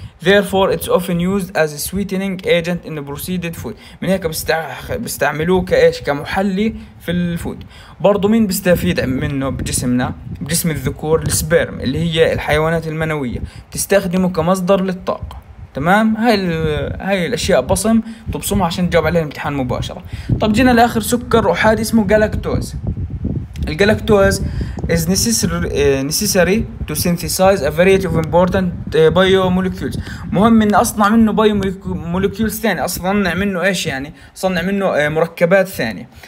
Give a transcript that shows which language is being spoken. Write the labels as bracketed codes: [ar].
[en] Therefore it's often used as a sweetening agent in processed food. [ar] من هيك بستعملوه كايش؟ كمحلي في الفود. برضو مين بيستفيد منه بجسمنا؟ بجسم الذكور السبيرم اللي هي الحيوانات المنوية، بتستخدمه كمصدر للطاقة. تمام؟ هاي الاشياء بصم تبصمها عشان تجاوب عليها الامتحان مباشرة. طب جينا لاخر سكر احادي اسمه جالاكتوز. الجالاكتوز [en] is necessary to synthesize a variety of important biomolecules. [ar] مهم ان اصنع منه biomolecules ثاني، اصلا نعمل منه ايش يعني، صنع منه مركبات ثانية.